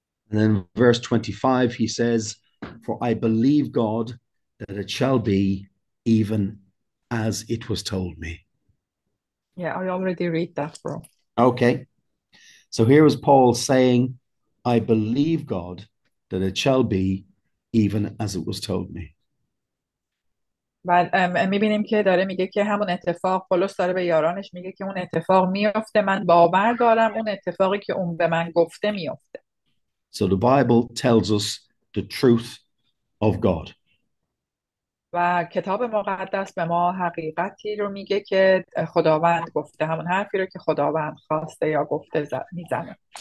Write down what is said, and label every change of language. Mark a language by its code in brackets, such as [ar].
[en] And then verse 25, he says, for I believe God that it shall be even as it was told me. Yeah, I already read that, bro. Okay. So here was Paul saying, I believe God that it shall be even as it was told me. [fa] بعد میبینیم که داره میگه که همون اتفاق پولس داره به یارانش میگه که اون اتفاق میفته من باور دارم اون اتفاقی که اون به من گفته میفته. [en] So the Bible tells us the truth of God. [fa] و کتاب مقدس به ما حقیقتی رو میگه که خداوند گفته همون حرفی رو که خداوند خواسته یا گفته میزنه.